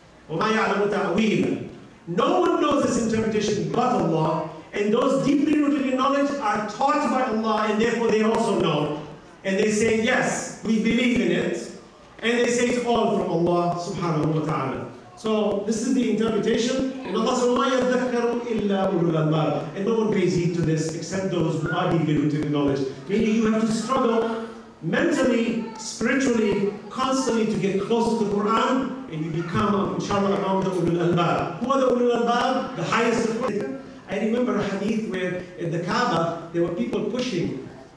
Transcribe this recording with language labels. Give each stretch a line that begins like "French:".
Arabic: وَمَا يَعْلَمُ تَعْوِيلًا.
English: No one knows this interpretation but Allah, And those deeply rooted in knowledge are taught by Allah, and therefore they also know. And they say, yes, we believe in it. And they say it's all from Allah subhanahu wa ta'ala. So this is the interpretation. And Allah says,
Arabic: وَمَا يَذَّكَّرُ إِلَّا أُولُو الْأَلْبَابِ.
English: And no one pays heed to this except those who are deeply rooted in knowledge. Meaning you have to struggle mentally, spiritually, constantly to get closer to the Quran, and you become, inshallah, among the Ulul Albab. Who are the Ulul Albab? The highest of all. I remember a hadith where in the Kaaba, there were people pushing.